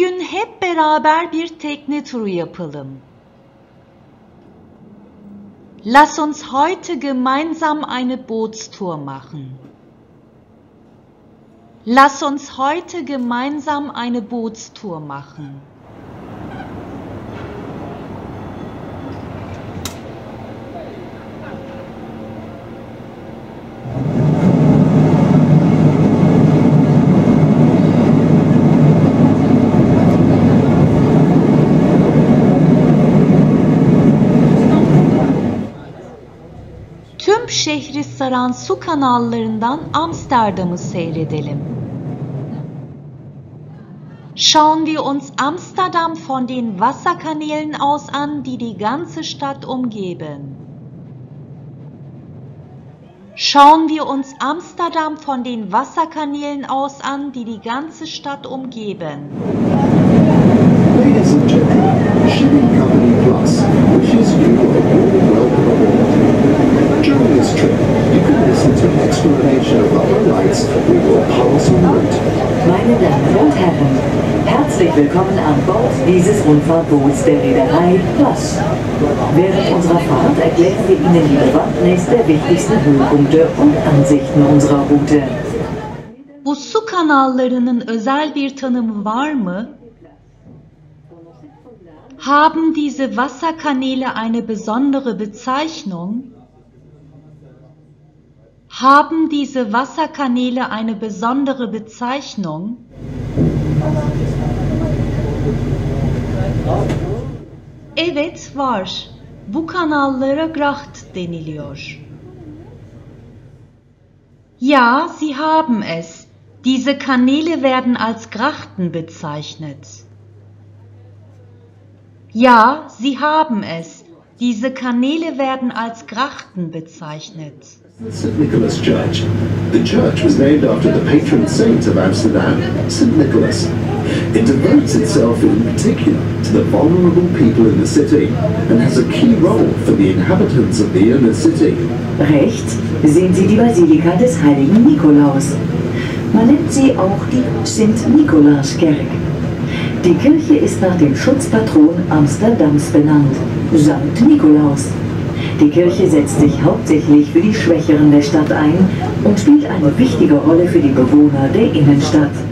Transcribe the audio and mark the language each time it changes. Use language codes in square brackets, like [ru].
[tr] hep beraber bir tekne turu yapalım. [de] Lass uns heute gemeinsam eine Bootstour machen. Lass uns heute gemeinsam eine Bootstour machen. [tr] Tüm şehri saran su kanallarından Amsterdam'ı seyredelim. [de] Schauen wir uns Amsterdam von den Wasserkanälen aus an, die die ganze Stadt umgeben. Schauen wir uns Amsterdam von den Wasserkanälen aus an, die die ganze Stadt umgeben. [en] Ladies and gentlemen, Shipping Company Plus wishes you a warm welcome aboard. During this trip, you can listen to an explanation of other lights we will pass on route. [de] Meine Damen und Herren, herzlich willkommen an Bord dieses Rundfahrtboots der Reederei Plus. Während unserer Fahrt erklären wir Ihnen die Bewandtnis der wichtigsten Höhepunkte und Ansichten unserer Route. [tr] Bu su kanallarının özel bir tanımı var mı? [de] Haben diese Wasserkanäle eine besondere Bezeichnung? Haben diese Wasserkanäle eine besondere Bezeichnung? [tr] Evet, var. Bu kanallara Gracht deniliyor. [de] Ja, sie haben es. Diese Kanäle werden als Grachten bezeichnet. Ja, sie haben es. Diese Kanäle werden als Grachten bezeichnet. [en] St. Nicholas Church. The church was named after the patron saint of Amsterdam, St. Nicholas. It devotes itself in particular to the vulnerable people in the city and has a key role for the inhabitants of the inner city. [de] Recht, sehen Sie die Basilika des Heiligen Nikolaus. Man nennt sie auch die St. Nikolaus-Kerk. Die Kirche ist nach dem Schutzpatron Amsterdams benannt, St. Nikolaus. Die Kirche setzt sich hauptsächlich für die Schwächeren der Stadt ein und spielt eine wichtige Rolle für die Bewohner der Innenstadt.